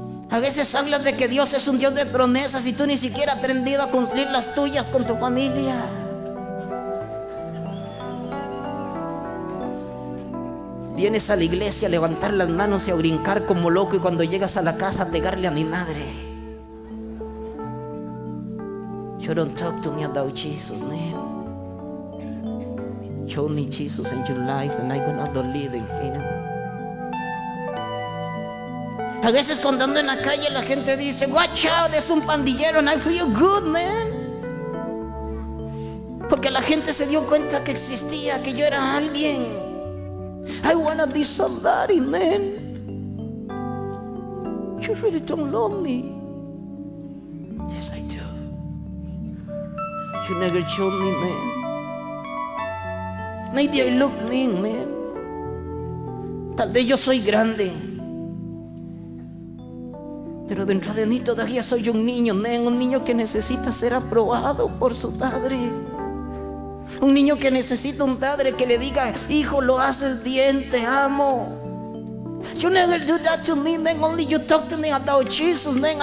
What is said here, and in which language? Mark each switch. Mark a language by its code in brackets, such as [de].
[es] A veces hablas de que Dios es un Dios de promesas y tú ni siquiera has aprendido a cumplir las tuyas con tu familia. Vienes a la iglesia a levantar las manos y a brincar como loco y cuando llegas a la casa a pegarle a mi madre. [en] You don't talk to me about Jesus, man. Show me Jesus in your life and I'm gonna believe in him. [es] A veces cuando ando en la calle la gente dice, [en] watch out, [es] es un pandillero [en] and I feel good, man. [es] Porque la gente se dio cuenta que existía, que yo era alguien. [en] I wanna be somebody, man. You really don't love me. Yes, I do. You never showed me, man. Maybe I look mean, man. [es] Tal vez yo soy grande. Pero dentro de mí todavía soy un niño, man. Un niño que necesita ser aprobado por su padre. Un niño que necesita un padre que le diga, hijo, lo haces bien, te amo. [en] You never do that to me, man. Only you talk to me about Jesus, man.